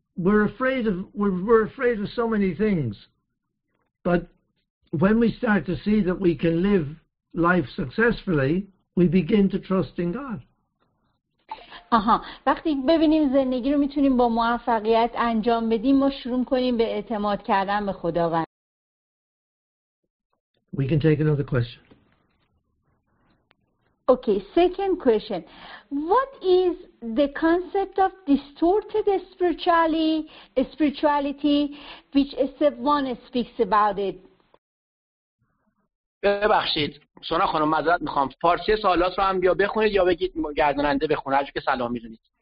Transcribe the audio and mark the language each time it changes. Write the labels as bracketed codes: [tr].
[en] We're afraid of so many things, but when we start to see that we can live life successfully, we begin to trust in God. [fa] آها، وقتی ببینیم زندگی رو میتونیم با موفقیت انجام بدیم، ما شروع کنیم به اعتماد کردن به خداوند. [en] We can take another question. Okay, second question. What is the concept of distorted spirituality which Estevone speaks about it? [fa] ببخشید سونا خانم، معذرت میخوام، فارسی سوالات رو هم بیا بخونید یا بگید گرداننده بخونه هر جو که سلام میدونید.